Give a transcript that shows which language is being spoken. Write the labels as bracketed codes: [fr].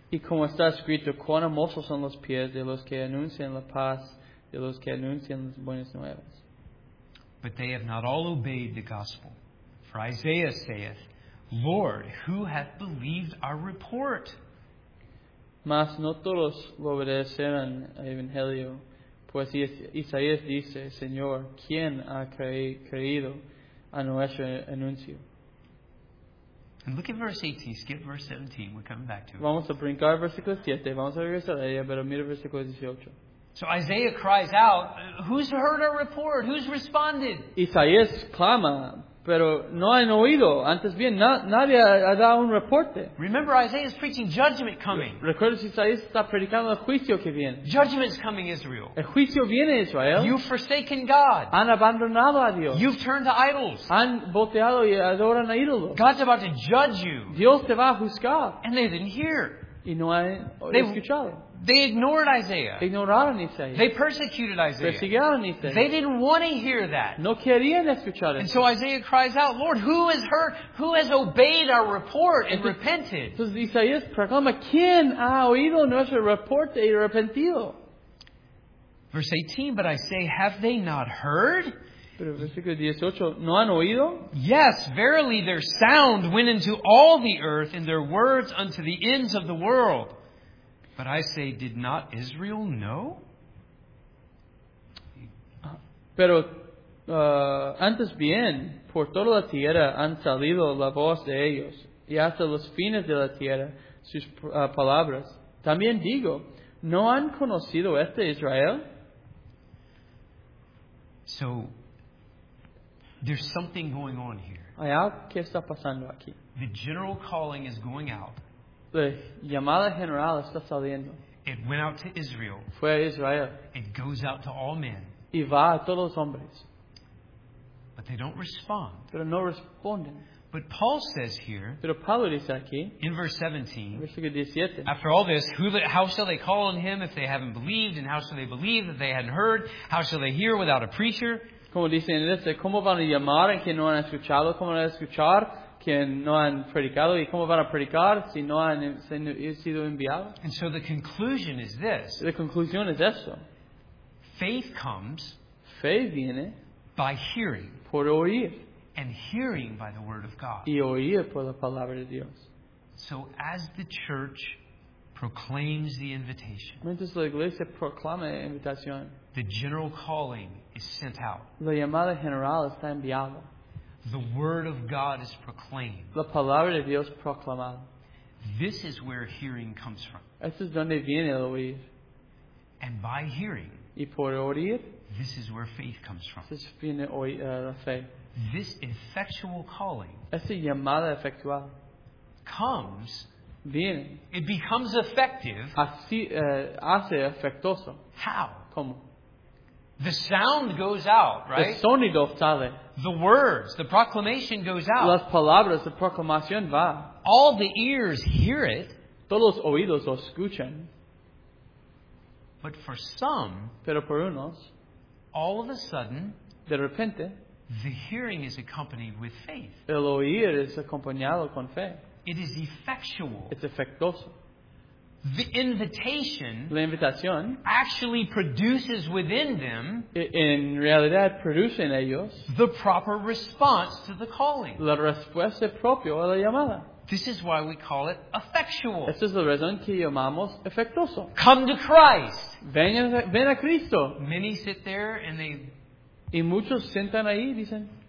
[es] Y como está escrito, cuán hermosos son los pies de los que anuncian la paz, de los que anuncian las buenas nuevas. [en] But they have not all obeyed the gospel. For Isaiah saith, Lord, who hath believed our report? [es] Mas no todos lo obedecerán a evangelio. Pues Isaías dice, Señor, ¿quién ha creído a nuestro anuncio? [en] And look at verse 18, skip verse 17, we're coming back to it. [es] Vamos a brincar versículo 7, vamos a regresar a ella, pero mira versículo 18. [en] So Isaiah cries out, who's heard our report? Who's responded? [es] Isaías clama, pero no han oído. Antes bien, nadie ha dado un reporte. [en] Remember, Isaiah is preaching judgment coming. [es] Recuerda si Isaías está predicando el juicio que viene. [en] Judgment's coming, Israel. [es] El juicio viene, Israel. [en] You've forsaken God. [es] Han abandonado a Dios. [en] You've turned to idols. [es] Han volteado y adoran a ídolos. [en] God's about to judge you. [es] Dios te va a juzgar. [en] And they didn't hear. [es] Y no han escuchado. [en] They ignored Isaiah. [es] Ignoraron Isaías. [en] They persecuted Isaiah. [es] Persiguieron Isaías. [en] They didn't want to hear that. [es] No querían escuchar eso. [en] And so Isaiah cries out, Lord, who has heard, who has obeyed our report and repented? [es] Entonces Isaías proclama, ¿quién ha oído nuestro reporte y arrepentido? [en] Verse 18, but I say, have they not heard? [es] Pero versículo 18, ¿no han oído? [en] Yes, verily their sound went into all the earth and their words unto the ends of the world. But I say, did not Israel know? [es] Pero antes bien, por toda la tierra han salido la voz de ellos, y hasta los fines de la tierra sus palabras. También digo, ¿No han conocido este Israel? [en] So, there's something going on here. [es] Hay algo que está pasando aquí. [en] The general calling is going out. [es] La llamada general está saliendo. [en] It went out to Israel. [es] Fue a Israel. [en] It goes out to all men. [es] Y va a todos los hombres. [en] But they don't respond. [es] Pero no responden. [en] But Paul says here, [es] pero Pablo dice aquí, [en] in verse 17, [es] versículo 17, [en] after all this, how shall they call on him if they haven't believed? And how shall they believe if they hadn't heard? How shall they hear without a preacher? [es] Como dice en este, ¿cómo van a llamar a quien no han escuchado? ¿Cómo van a escuchar quien no han predicado? ¿Y cómo van a predicar si no han sido enviados? [en] And so the conclusion is this. [es] La conclusión es esto. [en] Faith comes, [es] fe viene, [en] by hearing, [es] por oír, [en] and hearing by the word of God. [es] Y oír por la palabra de Dios. [en] So as the church proclaims the invitation, [es] mientras la iglesia proclama la invitación, [en] the general calling is sent out. [es] La llamada general está enviada. [en] The word of God is proclaimed. [es] La palabra de Dios proclamada. [en] This is where hearing comes from. [es] Esto es donde viene el oír. [en] And by hearing, [es] y por oír, [en] this is where faith comes from. [es] Esto es viene la fe. [en] This effectual calling, [es] esta llamada efectual, [en] comes, [es] viene, [en] it becomes effective. [es] Hace efectuoso. [en] How? [es] Como? [en] The sound goes out, right? [es] El sonido sale. [en] The words, the proclamation goes out. [es] Las palabras, la proclamación va. [en] All the ears hear it. [es] Todos los oídos lo escuchan. [en] But for some, [es] pero por unos, [en] all of a sudden, [es] de repente, [en] the hearing is accompanied with faith. [es] El oír es acompañado con fe. [en] It is effectual. [es] It's efectuoso. [en] The invitation, [es] la invitación, [en] actually produces within them, [es] en realidad produce en ellos, [en] the proper response to the calling. [es] La respuesta propia a la llamada. [en] This is why we call it effectual. [es] Esta es la razón que llamamos efectuoso. [en] Come to Christ. [es] Ven a Cristo. [en] Many sit there and they. [es] Y muchos sentan ahí y dicen,